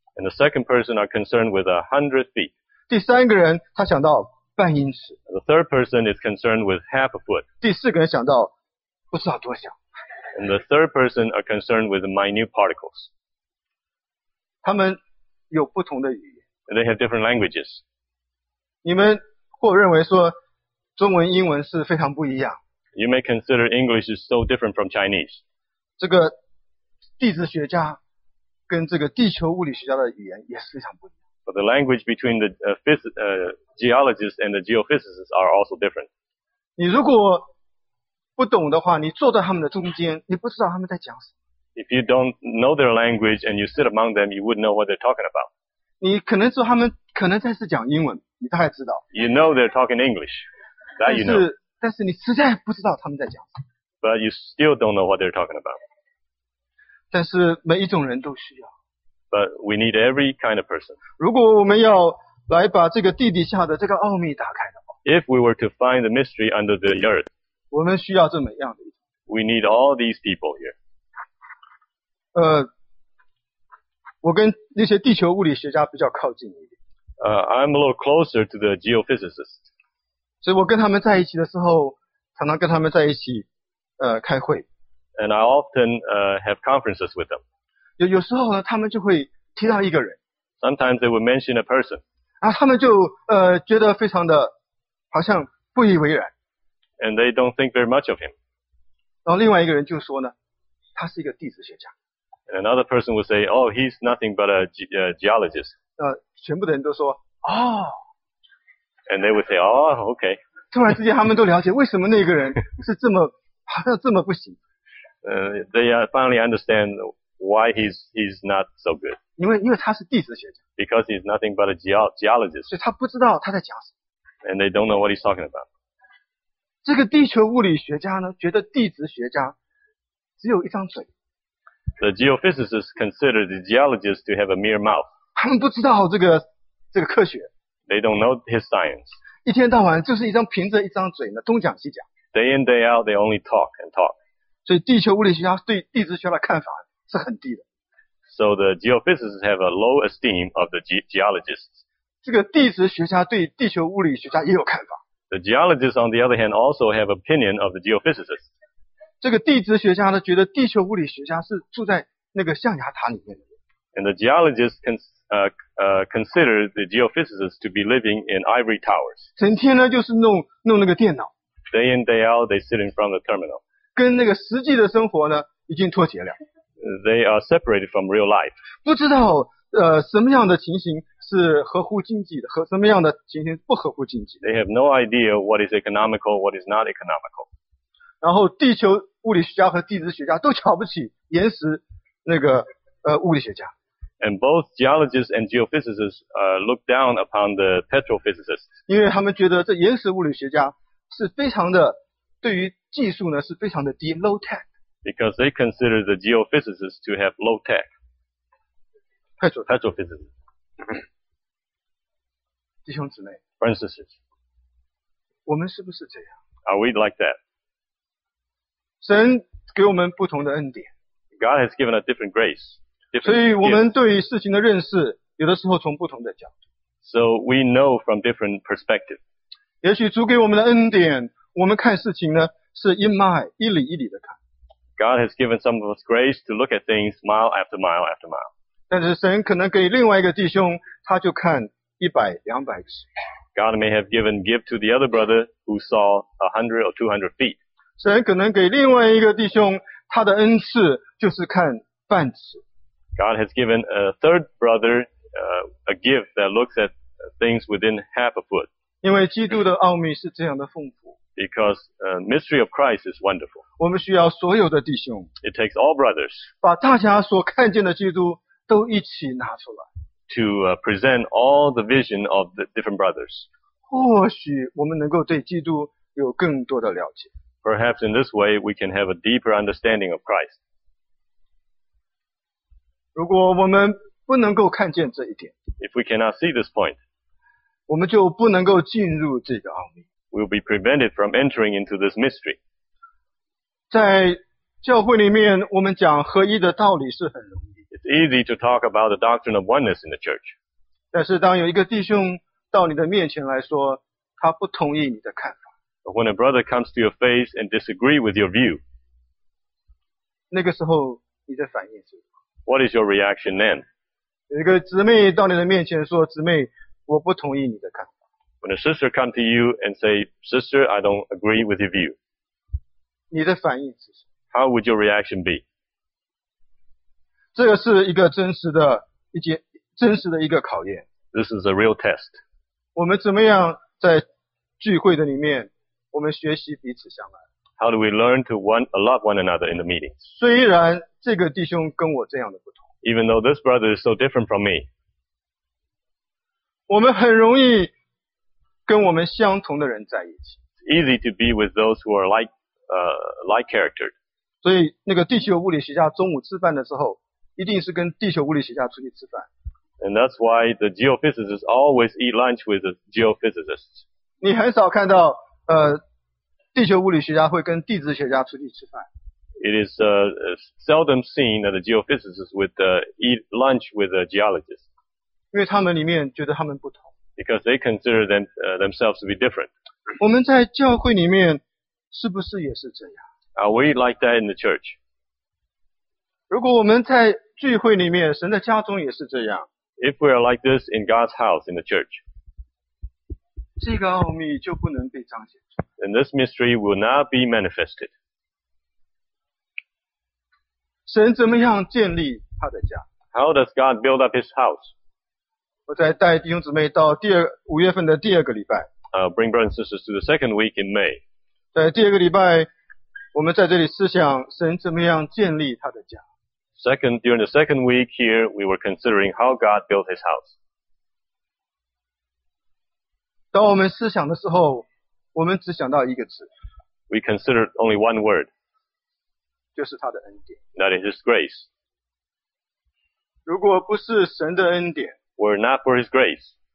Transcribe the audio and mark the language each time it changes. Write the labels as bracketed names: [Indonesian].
[English] And the second person are concerned with 100 feet. [Chinese] 第三个人他想到半英尺。 [English] The third person is concerned with half a foot. [Chinese] 第四个人想到不知道多小。 [English] And the third person are concerned with minute particles. [Chinese] 他们有不同的语言。 [English] And they have different languages. [Chinese] 你们或认为说中文英文是非常不一样。 [English] You may consider English is so different from Chinese. [Chinese] 这个地质学家跟这个地球物理学家的语言也是非常不一样。 [English] But the language between the geologists and the geophysicists are also different. [Chinese] 你如果不懂的话，你坐在他们的中间，你不知道他们在讲什么。 [English] If you don't know their language and you sit among them, you wouldn't know what they're talking about. [Chinese] 你可能说他们可能在是讲英文，你大概知道。 [English] You know they're talking English. That you know. [Chinese] 但是你实在不知道他们在讲什么。 [English] But you still don't know what they're talking about. [Chinese] 但是每一种人都需要。 [English] But we need every kind of person. [Chinese] 如果我们要来把这个地底下的这个奥秘打开的话。 [English] If we were to find the mystery under the earth. [Chinese] 我们需要这么样的。 [English] We need all these people here. [Chinese] 我跟那些地球物理学家比较靠近一点。 [English] I'm a little closer to the geophysicist. [Chinese] 所以我跟他们在一起的时候，常常跟他们在一起，开会。 [English] And I often have conferences with them. [Chinese] 有时候呢，他们就会提到一个人。 [English] Sometimes they would mention a person. [Chinese] 然后他们就觉得非常的好像不以为然。 [English] And they don't think very much of him. [Chinese] 然后另外一个人就说呢，他是一个地质学家。 [English] And another person would say, oh, he's nothing but a geologist. [Chinese] 全部的人都说，哦。 [English] And they would say, oh, okay. [Chinese] 突然之间他们都了解为什么那个人是这么好像这么不行。 [English] They finally understand why he's not so good. [Chinese] 因为他是地质学家。 [English] Because he's nothing but a geologist. [Chinese] 所以他不知道他在讲什么。 [English] And they don't know what he's talking about. [Chinese] 这个地球物理学家呢觉得地质学家只有一张嘴。 [English] The geophysicists consider the geologist to have a mere mouth. [Chinese] 他们不知道这个科学。 [English] They don't know his science. [Chinese] 一天到晚就是一张凭着一张嘴呢东讲西讲。 [English] Day in, day out, they only talk and talk. [Chinese] 所以地球物理学家对地质学的看法是很低的。 [English] So the geophysicists have a low esteem of the geologists. [Chinese] 这个地质学家对地球物理学家也有看法。 [English] The geologists, on the other hand, also have opinion of the geophysicists. [Chinese] 这个地质学家呢觉得地球物理学家是住在那个象牙塔里面的。 [English] And the geologists consider the geophysicists to be living in ivory towers. [Chinese] 整天呢就是弄那个电脑。 [English] Day in, day out, they sit in front of the terminal. [Chinese] 跟那个实际的生活呢已经脱节了。 [English] They are separated from real life. [Chinese] 不知道什么样的情形是合乎经济的，和什么样的情形不合乎经济。 [English] They have no idea what is economical, what is not economical. [Chinese] 然后地球物理学家和地质学家都瞧不起岩石那个物理学家。 [English] And both geologists and geophysicists look down upon the petrophysicists. [Chinese] 因为他们觉得这岩石物理学家是非常的，对于技术呢是非常的低 [English] low tech. Because they consider the geophysicists to have low tech. Petrophysicists. [Chinese] 弟兄姊妹，Francis，我们是不是这样 [English] ？Are we like that？ [Chinese] 神给我们不同的恩典。 [English] God has given a different grace. [Chinese] 所以我们对于事情的认识，有的时候从不同的角度。 [English] So we know from different perspective. [Chinese] 也许主给我们的恩典，我们看事情呢是一迈一里一里的看。 [English] God has given some of us grace to look at things mile after mile after mile. [Chinese] 但是神可能给另外一个弟兄，他就看一百、两百尺。 [English] God may have given gift to the other brother who saw 100 or 200 feet. [Chinese] 神可能给另外一个弟兄，他的恩赐就是看半尺。 [English] God has given a third brother a gift that looks at things within half a foot. [Chinese] 因为基督的奥秘是这样的丰富。 [English] Because the mystery of Christ is wonderful. [Chinese] 我们需要所有的弟兄。 [English] It takes all brothers. [Chinese] 把大家所看见的基督都一起拿出来。 [English] To present all the vision of the different brothers. [Chinese] 或许我们能够对基督有更多的了解。 [English] Perhaps in this way we can have a deeper understanding of Christ. [Chinese] 如果我们不能够看见这一点， [English] If we cannot see this point, [Chinese] 我们就不能够进入这个奥秘。 [English] We'll be prevented from entering into this mystery. [Chinese] 在教会里面，我们讲合一的道理是很容易。 [English] It's easy to talk about the doctrine of oneness in the church. [Chinese] 但是当有一个弟兄到你的面前来说，他不同意你的看法。 [English] But when a brother comes to your face and disagree with your view, [Chinese] 那个时候你的反应是？ [English] What is your reaction then? [Chinese] 有一个姊妹到你的面前说，姊妹，我不同意你的看法。 [English] When a sister comes to you and say, sister, I don't agree with your view. [Chinese] 你的反应是什么？ [English] How would your reaction be? [Chinese] 这个是一个真实的一个考验。 [English] This is a real test. [Chinese] 我们怎么样在聚会的里面，我们学习彼此相爱。 [English] How do we learn to love one another in the meetings? [Chinese] 虽然这个弟兄跟我这样的不同。 [English] Even though this brother is so different from me. [Chinese] 我们很容易跟我们相同的人在一起。 [English] It's easy to be with those who are like character. [Chinese] 所以那个地球物理学家中午吃饭的时候，一定是跟地球物理学家出去吃饭。 [English] And that's why the geophysicists always eat lunch with the geophysicists. [Chinese] 你很少看到地球物理学家会跟地质学家出去吃饭。 [English] It is seldom seen that the geophysicists would eat lunch with the geologists. [Chinese] 因为他们里面觉得他们不同。 [English] Because they consider themselves to be different. [Chinese] 我们在教会里面是不是也是这样？ [English] Are we like that in the church? [Chinese] 如果我们在聚会里面，神的家中也是这样。 [English] If we are like this in God's house, in the church. [Chinese] 这个奥秘就不能被彰显。 [English] And this mystery will not be manifested. [Chinese] 神怎么样建立他的家？ [English] How does God build up his house? [Chinese] 我在带弟兄姊妹到五月份的第二个礼拜。 [English] bring brothers and sisters to the second week in May. [Chinese] 在第二个礼拜，我们在这里思想神怎么样建立他的家。 [English] During the second week here, we were considering how God built His house. [Chinese] 当我们思想的时候，我们只想到一个字。 [English] We considered only one word. [Chinese] 就是他的恩典。 [English] That is His grace. [Chinese] 如果不是神的恩典。 [English] Were not for His grace.